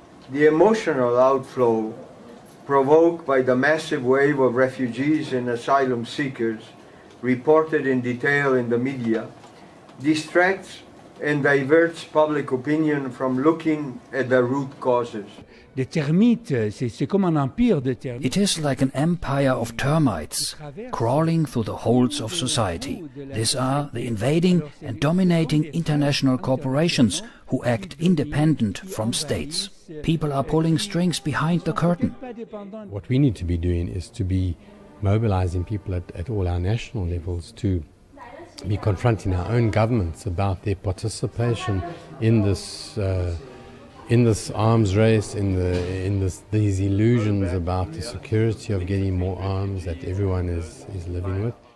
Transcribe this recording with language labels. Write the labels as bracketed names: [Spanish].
[English] The emotional outflow provoked by the massive wave of refugees and asylum seekers reported in detail in the media distracts and diverts public opinion from looking at the root causes. [French] Des termites, c'est comme un empire de termites. [English] It is like an empire of termites crawling through the holes of society. These are the invading and dominating international corporations who act independent from states. People are pulling strings behind the curtain. What we need to be doing is to be mobilizing people at all our national levels to be confronting our own governments about their participation in this arms race, these illusions about the security of getting more arms that everyone is living with.